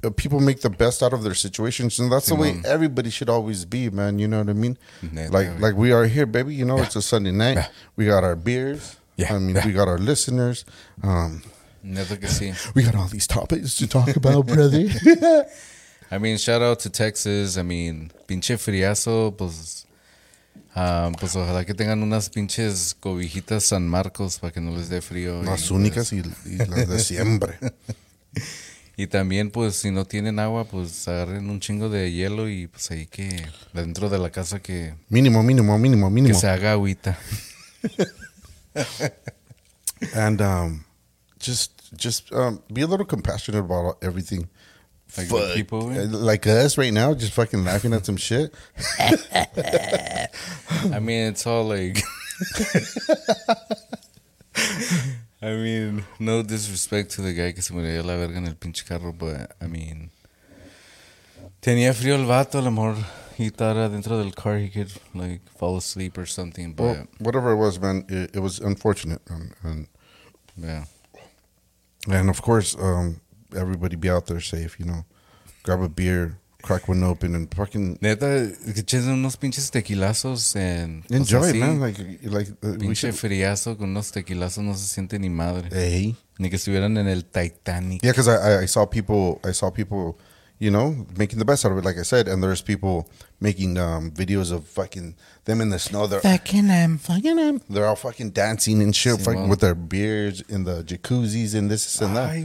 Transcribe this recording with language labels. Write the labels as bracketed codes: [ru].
[en] People make the best out of their situations, and that's the way everybody should always be, man. You know what I mean? Like we are here, baby. You know, yeah. It's a Sunday night. Yeah. We got our beers. Yeah, I mean, yeah. We got our listeners. Never could see. We got all these topics to talk about, brother. I mean, shout out to Texas. I mean, [es] pinche friazo, pues ojalá que tengan unas pinches cobijitas San Marcos para que no les dé frío. Las únicas y las de siempre. Y también, pues, si no tienen agua, pues agarren un chingo de hielo y pues ahí que dentro de la casa que... Mínimo. Que se haga agüita. [en] And, Just be a little compassionate about everything. Like fuck. The people, man. Like us right now, just fucking laughing at some shit. I mean, it's all like... I mean, no disrespect to the guy [es] que se murió la verga en el pinche carro, [en] but I mean... [es] Tenía frío el vato, a lo mejor. [en] He thought [es] dentro del [en] car he could, like, fall asleep or something, but... Well, whatever it was, man, it was unfortunate. And yeah. And of course, everybody be out there safe, you know. Grab a beer, crack one open, and fucking... [es] Neta, echen unos pinches tequilazos [en] and... Enjoy, pues, man. Like [es] pinche friazo con unos tequilazos no se siente ni madre. [en] Hey. [es] Ni que estuvieran en el Titanic. [en] Yeah, because I saw people, you know, making the best out of it, like I said. And there's people making videos of fucking them in the snow. Fucking them. They're all fucking dancing and shit, fucking well. With their beards in the jacuzzis and this and that.